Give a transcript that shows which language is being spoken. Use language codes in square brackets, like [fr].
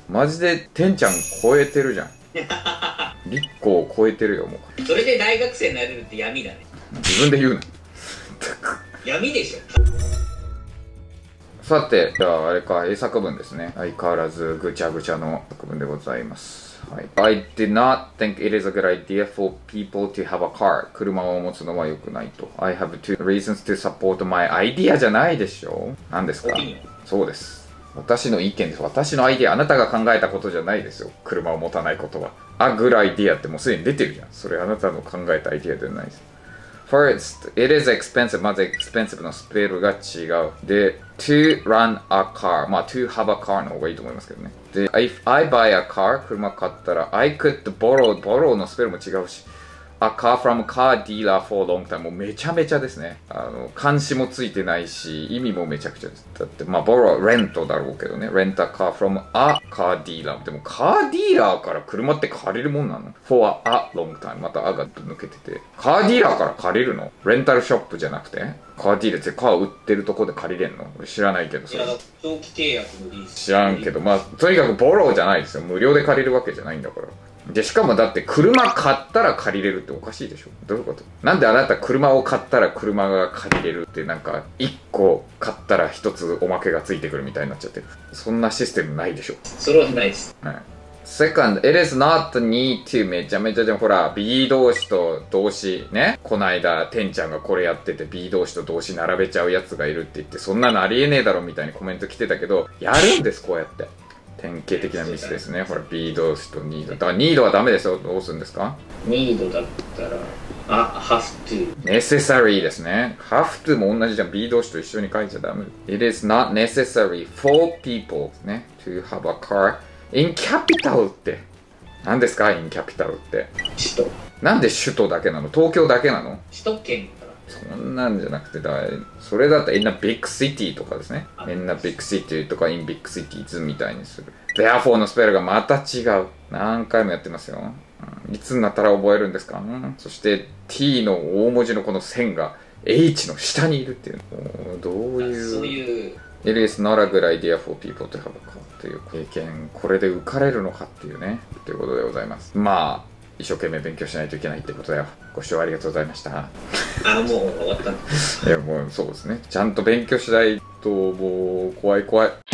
[ja] マジで、てんちゃん超えてるじゃん。立候補超えてるよ、もう。それで大学生になれるって闇だね。自分で言うな。闇でしょ。さて、じゃああれか、英作文ですね。相変わらずぐちゃぐちゃの作文でございます。はい。 [en] I did not think it is a good idea for people to have a car. [ja] 車を持つのは良くないと。 [en] I have two reasons to support my idea じゃないでしょ？ [ja] 何ですか？そうです。私の意見です。私のアイデア、あなたが考えたことじゃないですよ。車を持たないことは。 A good idea ってもうすでに出てるじゃん。それあなたの考えたアイデアではないです。 First, it is expensive. まず expensive のスペルが違う。 [en] で、to run a car. [ja] まあ、 to have a car の方がいいと思いますけどね。 [en] で、if I buy a car, 車買ったら、 I could borrow のスペルも違うし、 a car from a car dealer for a long time. もうめちゃめちゃですね。 [ja] 監視もついてないし、意味もめちゃくちゃです。だって、まあ、borrow は rent だろうけどね。 [en] rent a car from a car dealer。 [ja] でも、カーディーラーから車って借りるもんなの？ [en] for a long time。また a が抜けてて。 [ja] カーディーラーから借りるの？レンタルショップじゃなくて？カーディーラーってカー売ってるとこで借りれんの？俺知らないけど、それ。いや、長期契約のリース。知らんけど、まあ、とにかく borrow じゃないですよ。無料で借りるわけじゃないんだから。で、しかもだって車買ったら借りれるっておかしいでしょ？どういうこと？なんであなた車を買ったら車が借りれるって、なんか1個買ったら1つおまけがついてくるみたいになっちゃってる。そんなシステムないでしょ？それはないです。はい。 Second, it is not need to めちゃめちゃでもほら、B 動詞と動詞ね。こないだ、てんちゃんがこれやってて、B 動詞と動詞並べちゃうやつがいるって言って、そんなのありえねえだろみたいにコメント来てたけど、やるんです、こうやって。典型的なミスですね。ほら、B 動詞と need。だから need はダメですよ。どうするんですか？ need だったら、あ、have to。 necessary ですね。have to も同じじゃん。B 動詞と一緒に書いちゃダメ。 [en] It is not necessary for people ね。 to have a car in capital って。 [ja] 何ですか？ in capital って。首都。なんで首都だけなの？東京だけなの？首都圏。そんなんじゃなくて、だそれだったら in a big city とかですね。 [en] in a big city とか in big cities みたいにする。 [ja] therefore のスペルがまた違う。何回もやってますよ。うん、いつになったら覚えるんですか、うん、そして t の大文字のこの線が h の下にいるっていう。どういう。そういう。 [en] it is not a good idea for people to have a car という経験。 [ja] これで浮かれるのかっていうね。ということでございます。まあ。一生懸命勉強しないといけないってことだよ。ご視聴ありがとうございました。あ、もう終わったの。いや、もうそうですね。ちゃんと勉強しないと、もう怖い怖い。